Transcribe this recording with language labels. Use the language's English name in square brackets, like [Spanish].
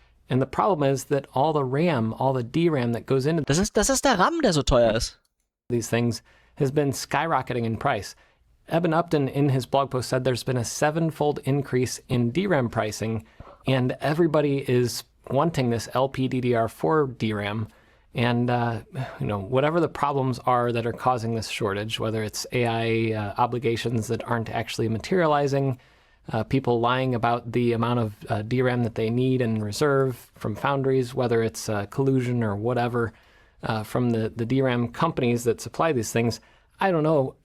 [English] And the problem is that all the RAM, all the DRAM that goes into... [German] Das ist der RAM, der so teuer ist. [English] These things has been skyrocketing in price. Eben Upton in his blog post said there's been a 7-fold increase in DRAM pricing and everybody is wanting this LPDDR4 DRAM and, you know, whatever the problems are that are causing this shortage, whether it's AI obligations that aren't actually materializing, people lying about the amount of DRAM that they need and reserve from foundries, whether it's collusion or whatever from the DRAM companies that supply these things, I don't know.